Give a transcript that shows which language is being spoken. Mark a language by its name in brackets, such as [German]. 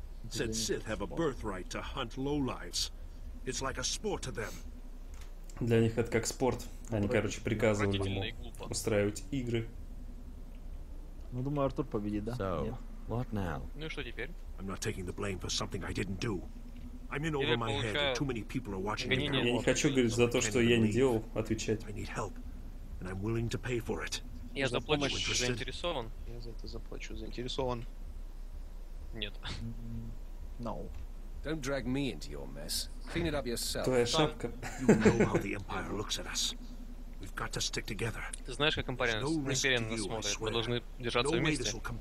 [English] Said Sith have a birthright to hunt lowlives. It's like a sport to them. [Russian] Для них это как спорт. Они, короче, приказывали ему устраивать игры. Ну, думаю, Артур победит, да? [English] So, what now? [Russian] Ну и что теперь? [English] I'm not taking the blame for something I didn't do. I'm in over my head. Too many people are watching me. [Russian] Я не хочу говорить за то, что я не делал, отвечать. [English] I need help, and I'm willing to pay for it. [Russian] Я за помощь заинтересован. Я за это заплачу, заинтересован. Нет. [English] No. Don't drag me into your mess. Clean it up yourself. [Russian] Твоя шапка. [English] You know how the Empire looks at us. We've got to stick together. [Russian] Ты знаешь, как Империя на нас смотрит. Мы должны держаться вместе.